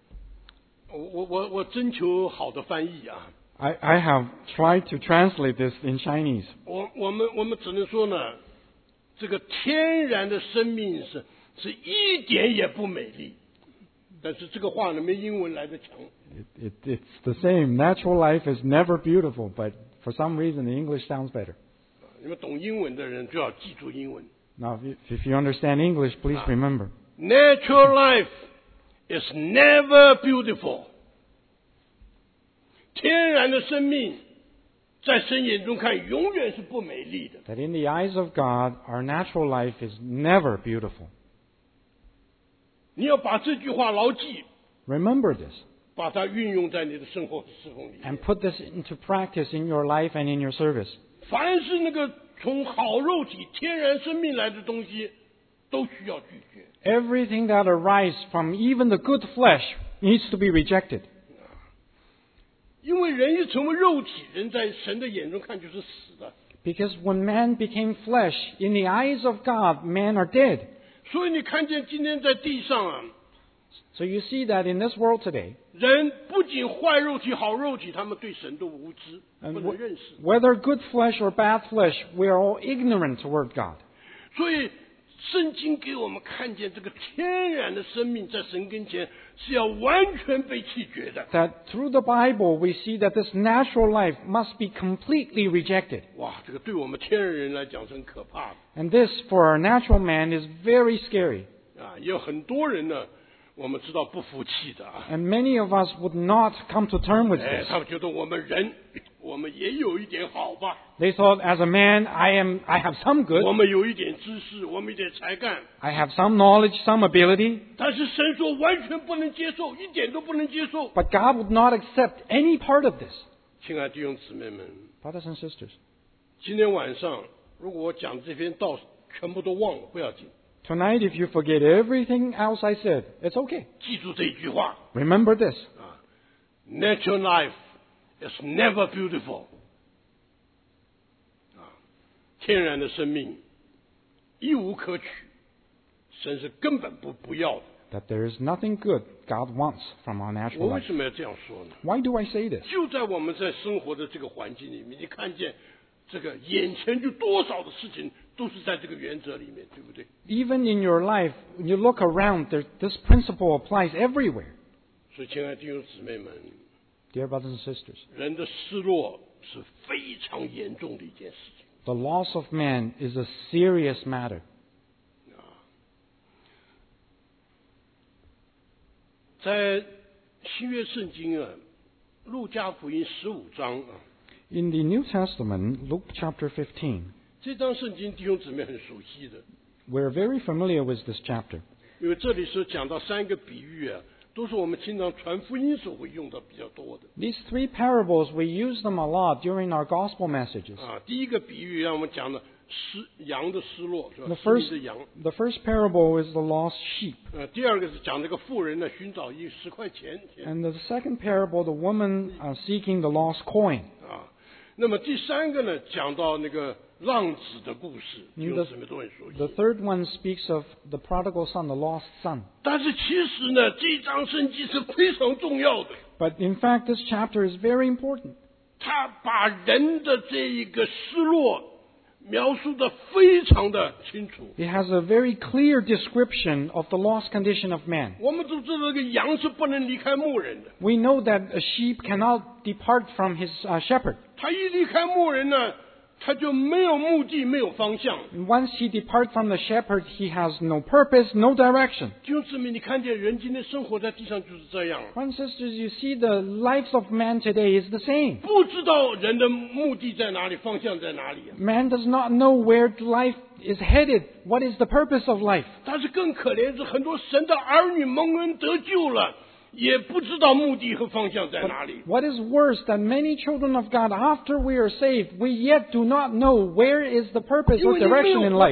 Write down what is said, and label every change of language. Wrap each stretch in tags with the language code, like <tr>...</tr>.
<zh>这个中文呢，我征求好的翻译啊。</zh> <en>I have tried to translate this in Chinese.</en> <zh>我们只能说呢。这个天然的生命是一点也不美丽，但是这个话呢，没英文来得强。</zh> <en>It's the same. Natural life is never beautiful, but for some reason the English sounds better.</en> <zh>你们懂英文的人就要记住英文。</zh> <en>Now, if you understand English, please remember. Natural life is never beautiful.</en> <zh>天然的生命</zh> <en>that in the eyes of God, our natural life is never beautiful.</en> <zh>你要把这句话牢记,</zh> <en>remember this,</en> <zh>把它运用在你的生活侍奉里面,</zh> <en>and put this into practice in your life and in your service.</en> <zh>凡是那个从好肉体天然生命来的东西, 都需要拒绝。</zh> <en>Everything that arises from even the good flesh needs to be rejected.</en> <zh>因为人一成为肉体，人在神的眼中看就是死的。</zh> <en>Because when man became flesh, in the eyes of God, men are dead.</en> <zh>所以你看见今天在地上啊,</zh> <en>so you see that in this world today,</en> <zh>人不仅坏肉体好肉体, 他们对神都无知, 不能认识。</zh> <en>Whether good flesh or bad flesh, we are all ignorant toward God.</en> <zh>所以圣经给我们看见这个天然的生命在神跟前是要完全被弃绝的。</zh> <en>That through the Bible we see that this natural life must be completely rejected.</en> <zh>哇，这个对我们天然人来讲是很可怕的。</zh> <en>And this for our natural man is very scary.</en> <zh>啊，有很多人呢，我们知道不服气的。</zh> <en>And many of us would not come to term with this.</en> <zh>哎，他们觉得我们人。我们也有一点好吧。</zh> <en>They thought, as a man, I have some good.</en> <zh>我们有一点知识，我们一点才干。</zh> <en>I have some knowledge, some ability.</en> <zh>但是神说完全不能接受，一点都不能接受。</zh> <en>But God would not accept any part of this.</en> <zh>亲爱的弟兄姊妹们</zh> <en>，Brothers and sisters,</en> <zh>今天晚上如果我讲这篇道全部都忘了，不要紧。</zh> <en>Tonight, if you forget everything else I said, it's okay.</en> <zh>记住这句话。</zh> <en>Remember this. Natural life. It's never beautiful.</en> <zh>天然的生命一无可取，神是根本不要的。</zh> <en>That there is nothing good God wants from our natural life.</en> <zh>我为什么要这样说呢</zh> <en>？Why do I say this?</en> <zh>就在我们在生活的这个环境里面，你看见这个眼前就多少的事情都是在这个原则里面，对不对</zh> <en>？Even in your life, when you look around, this principle applies everywhere.</en> <zh>所以，亲爱的弟兄姊妹们。</zh> <en>Dear brothers and sisters,</en> <zh>人的失落是非常严重的一件事情。</zh> <en>The loss of man is a serious matter.</en> <zh>在新约圣经啊，路加福音十五章啊。</zh> <en>In the New Testament, Luke chapter 15.</en> <zh>这章圣经弟兄姊妹很熟悉的。</zh> <en>We're very familiar with this chapter.</en> <zh>因为这里是讲到三个比喻啊。都是我们经常传福音时会用的比较多的。</zh> <en>These three parables, we use them a lot during our gospel messages.</en> <zh>第一个比喻让我们讲的失羊的失落，是吧？</zh> <en>The first parable is the lost sheep.</en> <zh>第二个是讲那个妇人呢寻找一十块钱。</zh> <en>And the second parable, the woman seeking the lost coin.</en> <zh>那么第三个呢讲到那个浪子的故事，就是什么都很熟悉。</zh> <en>The third one speaks of the prodigal son, the lost son.</en> <zh>但是其实呢，这一章圣经是非常重要的。</zh> <en>But in fact, this chapter is very important.</en> <zh>他把人的这一个失落描述的非常的清楚。</zh> <en>It has a very clear description of the lost condition of man.</en> <zh>我们都知道，这个羊是不能离开牧人的。</zh> <en>We know that a sheep cannot depart from his shepherd.</en> <zh>他一离开牧人呢？他就没有目的，没有方向。</zh> <en>Once he departs from the shepherd, he has no purpose, no direction.</en> <zh>弟兄姊妹，你看见人今天生活在地上就是这样。</zh> <en>Brothers and sisters, you see the lives of man today is the same.</en> <zh>不知道人的目的在哪里，方向在哪里。</zh> <en>Man does not know where life is headed. What is the purpose of life?</en> <zh>但是更可怜是很多神的儿女蒙恩得救了。也不知道目的和方向在哪里。</zh> <en>But、what is worse than many children of God, after we are saved, we yet do not know where is the purpose or direction in life.</en>